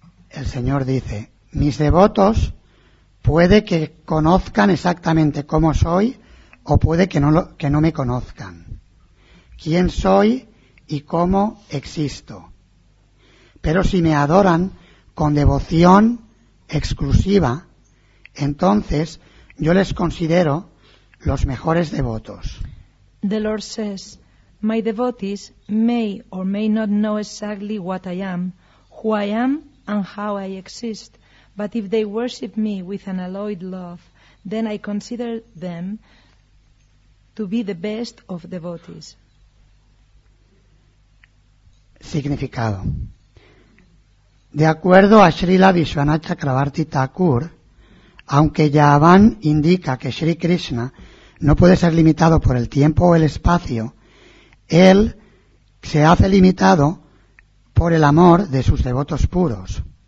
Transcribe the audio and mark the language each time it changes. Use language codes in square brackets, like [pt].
[es] El Señor dice, mis devotos puede que conozcan exactamente cómo soy o puede que no me conozcan. ¿Quién soy y cómo existo? Pero si me adoran con devoción exclusiva, entonces yo les considero los mejores devotos. [en] The Lord says, my devotees may or may not know exactly what I am, who I am and how I exist, but if they worship me with unalloyed love, then I consider them to be the best of devotees. [es] Significado. De acuerdo a Srila Vishwanatha Chakravarti Thakur, aunque Yavan indica que Sri Krishna no puede ser limitado por el tiempo o el espacio, él se hace limitado por el amor de sus devotos puros.